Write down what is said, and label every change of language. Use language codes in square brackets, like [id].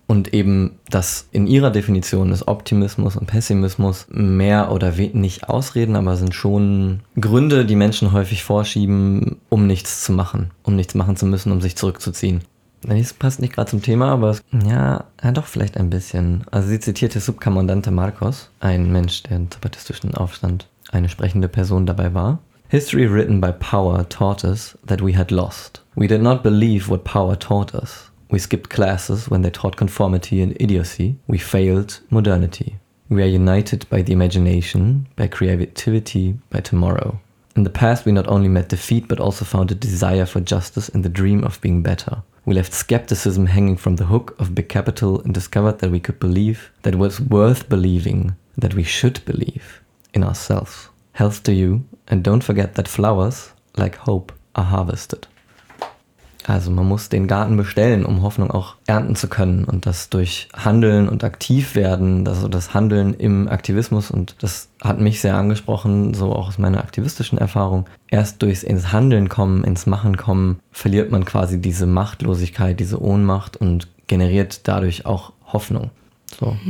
[de] Und eben, dass in ihrer Definition ist Optimismus und Pessimismus mehr oder weniger nicht Ausreden, aber sind schon Gründe, die Menschen häufig vorschieben, um nichts zu machen, um nichts machen zu müssen, um sich zurückzuziehen. Das passt nicht gerade zum Thema, aber es, ja, doch vielleicht ein bisschen. Also sie zitierte Subcommandante Marcos, ein Mensch, der im zapatistischen Aufstand eine sprechende Person dabei war. [en] History written by power taught us that we had lost. We did not believe what power taught us. We skipped classes when they taught conformity and idiocy. We failed modernity. We are united by the imagination, by creativity, by tomorrow. In the past we not only met defeat, but also found a desire for justice and the dream of being better. We left skepticism hanging from the hook of big capital and discovered that we could believe, that it was worth believing, that we should believe in ourselves. Health to you, and don't forget that flowers, like hope, are harvested. [de] Also man muss den Garten bestellen, um Hoffnung auch ernten zu können und das durch Handeln und aktiv werden, also das Handeln im Aktivismus, und das hat mich sehr angesprochen, so auch aus meiner aktivistischen Erfahrung, erst durchs ins Handeln kommen, ins Machen kommen, verliert man quasi diese Machtlosigkeit, diese Ohnmacht und generiert dadurch auch Hoffnung. So.